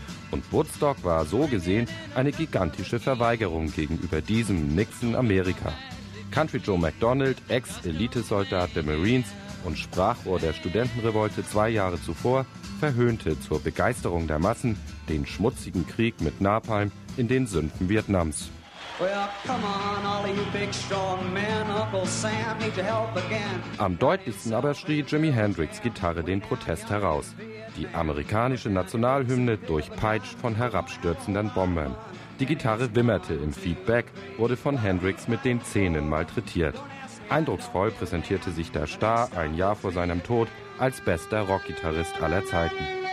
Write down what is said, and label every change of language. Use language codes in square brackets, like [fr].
[de] Und Woodstock war so gesehen eine gigantische Verweigerung gegenüber diesem Nixon Amerika. Country Joe McDonald, Ex-Elitesoldat der Marines und Sprachrohr der Studentenrevolte 2 Jahre zuvor, verhöhnte zur Begeisterung der Massen den schmutzigen Krieg mit Napalm in den Sünden Vietnams. [en] Well, come on, all you big strong men, Uncle Sam need your help again. [de] Am deutlichsten aber schrie Jimi Hendrix' Gitarre den Protest heraus. Die amerikanische Nationalhymne durchpeitscht von herabstürzenden Bombern. Die Gitarre wimmerte im Feedback, wurde von Hendrix mit den Zähnen malträtiert. Eindrucksvoll präsentierte sich der Star 1 Jahr vor seinem Tod als bester Rockgitarrist aller Zeiten.